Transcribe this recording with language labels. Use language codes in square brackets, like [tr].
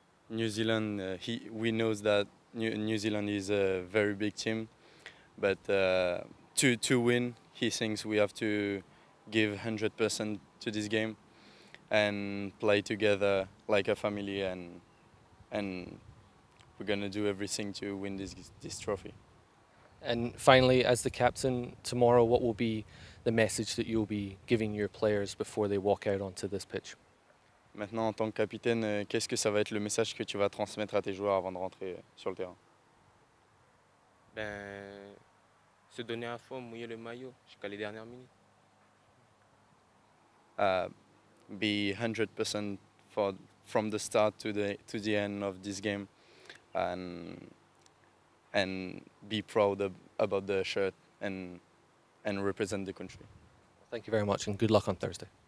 [en] New Zealand, we know that New Zealand is a very big team, but to win, he thinks we have to give 100% to this game and play together like a family, and we're going to do everything to win this trophy. And finally, as the captain tomorrow, what will be the message that you'll be giving your players before they walk out onto this pitch? [fr] Maintenant, en tant que capitaine, qu'est-ce que ça va être le message que tu vas transmettre à tes joueurs avant de rentrer sur le terrain? Ben, se donner à fond, mouiller le maillot jusqu'à les dernières minutes. [en] Be 100% from the start to the end of this game, and be proud about the shirt and represent the country. Thank you very much and good luck on Thursday.